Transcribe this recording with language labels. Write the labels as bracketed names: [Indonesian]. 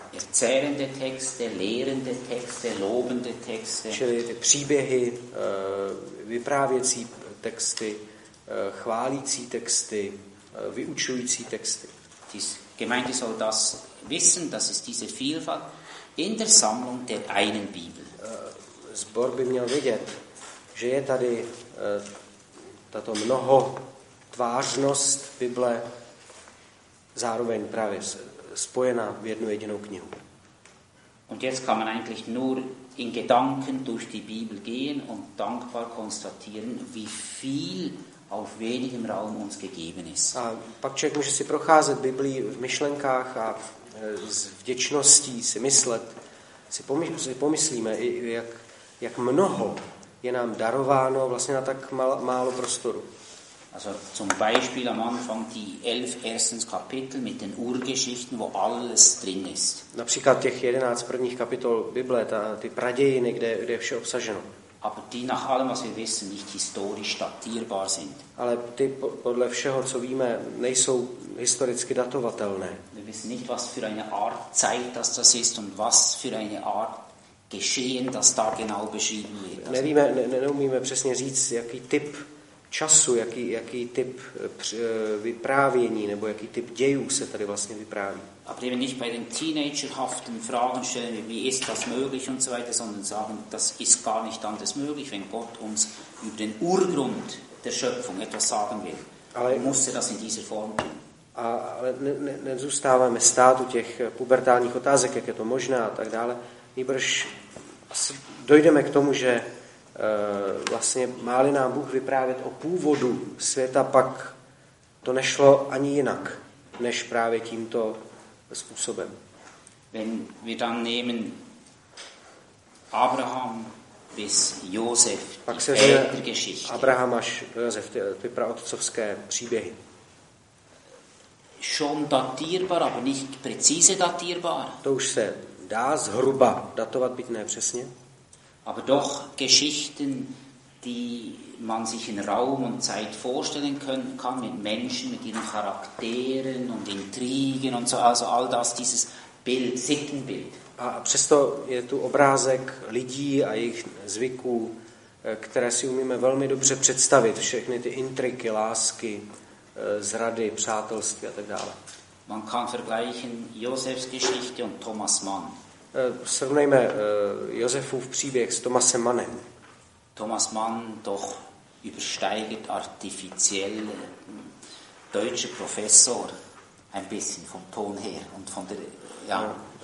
[German] Erzählende Texte, lehrende Texte, lobende Texte. [Czech] Čili ty příběhy, vyprávěcí texty, chválící texty, vyučující texty. [German] Dies Gemeinde soll das wissen, das ist diese Vielfalt in der Sammlung der einen Bibel. [Czech] Zbor by měl vědět, že je tady tato mnoho tvářnost Bible zároveň právě spojená v jednu jedinou knihu. [German] Und jetzt kann man eigentlich nur in Gedanken durch die Bibel gehen und dankbar konstatieren, wie viel auf wenigem Raum uns gegeben ist. [Czech] A pak člověk může si procházet Biblí v myšlenkách a s vděčností si myslet, si pomyslíme, jak mnoho je nám darováno vlastně na tak málo prostoru. [German] Also zum Beispiel am Anfang die 11 ersten Kapitel mit den Urgeschichten, wo alles drin ist. [Czech] Například těch 11 prvních kapitol Bible, ty pradějiny, kde je vše obsaženo. [German] Aber die nach allem, was wir wissen, nicht historisch datierbar sind. [Czech] Ale ty podle všeho, co víme, nejsou historicky datovatelné. [German] Wir wissen nicht, was für eine Art Zeit das ist und was für eine Art Geschehen das da genau beschrieben wird. [Czech] Neumíme přesně říct, jaký typ času, jaký typ vyprávění nebo jaký typ dějů se tady vlastně vypráví. A právě [German] nicht bei den teenagerhaften Fragen stellen, wie ist das möglich und so weiter, sondern sagen, das ist gar nicht anders möglich, wenn Gott uns über den Urgrund der Schöpfung etwas sagen will. Ale musste das in dieser Form tun. [Czech] Ale nezůstáváme stát u těch pubertálních otázek, jak je to možné a tak dále. Nýbrž dojdeme k tomu, že vlastně má-li nám Bůh vyprávět o původu světa, pak to nešlo ani jinak, než právě tímto způsobem. [German] Wenn wir dann nehmen Abraham bis Josef, [Czech] pak se vzme Abraham až Josef, ty praotcovské příběhy. [German] Schon datierbar, aber nicht präzise datierbar. [Czech] To už se dá zhruba datovat, byť ne přesně. [German] Aber doch Geschichten, die man sich in Raum und Zeit vorstellen können kann, mit Menschen, mit ihren Charakteren und Intrigen und so, also all das, dieses Bild, Sittenbild. [Czech] A přesto je tu obrázek lidí a jejich zvyků, které si umíme velmi dobře představit, všechny ty intriky, lásky, zrady, přátelství a tak dále. [German] Man kann vergleichen Josefs Geschichte und Thomas Mann. [Czech] Srovnejme Josefův příběh s Thomasem Mannem. [German] Thomas Mann doch übersteigert artificiell deutsche Professor ein bisschen vom Ton her und von der ja.